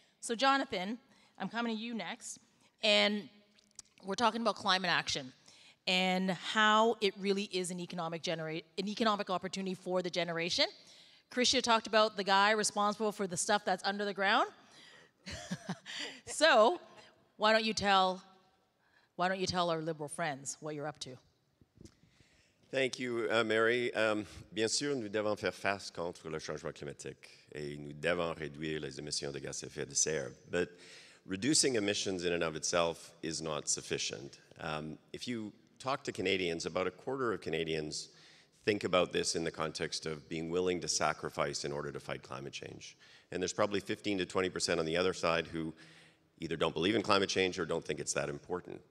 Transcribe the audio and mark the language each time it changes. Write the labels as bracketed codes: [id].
[en] So Jonathan, I'm coming to you next, and we're talking about climate action and how it really is an economic opportunity for the generation. Krishna talked about the guy responsible for the stuff that's under the ground. So why don't you tell our Liberal friends what you're up to? Thank you, Mary. [fr] Bien sûr, nous devons faire face contre le changement climatique et nous devons réduire les émissions de gaz à effet de serre. [en] But reducing emissions in and of itself is not sufficient. If you talk to Canadians, about a quarter of Canadians think about this in the context of being willing to sacrifice in order to fight climate change. And there's probably 15 to 20% on the other side who either don't believe in climate change or don't think it's that important.